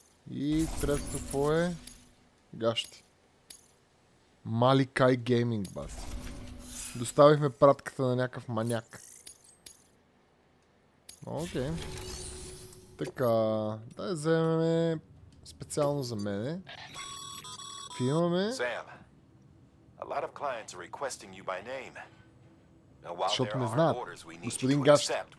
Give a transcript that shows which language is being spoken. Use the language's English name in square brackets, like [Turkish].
[Bulgarian] И трето какво е? Гащи. Malikai Gaming, бас. Доставихме пратката на някакъв маняк. Окей. Така, дай вземем специално за мене. Фимаме. [English] Sam, a lot of clients are requesting you by name. [Bulgarian] Защото не знаят, господин Гащ.